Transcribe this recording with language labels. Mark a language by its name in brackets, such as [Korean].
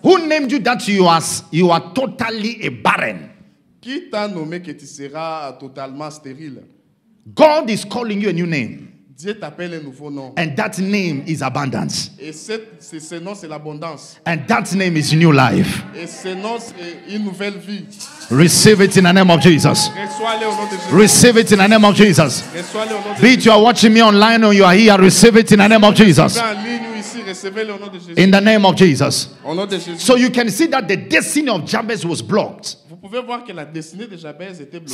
[English] Who named you that you are totally a barren? [French] Qui t'a nommé que tu seras totalement stérile? [English] God is calling you a new name. [French] Dieu t'appelle un nouveau nom. [English] And that name is abundance. [French] Et ce nom c'est l'abondance. [English] And that name is new life. [French] Et ce nom c'est une nouvelle vie. [English] Receive it in the name of Jesus. [French] Reçois-le au nom de Jésus. [English] Receive it in the name of Jesus. [French] Reçois-le au nom de [English] Jésus. Be it you are watching me online or you are here, receive it in the name of Jesus. In the name of Jesus. [French] Au nom de Jésus. [English] So you can see that the destiny of Jabez was blocked. [French] Vous pouvez voir que la destinée de Jabez était bloquée.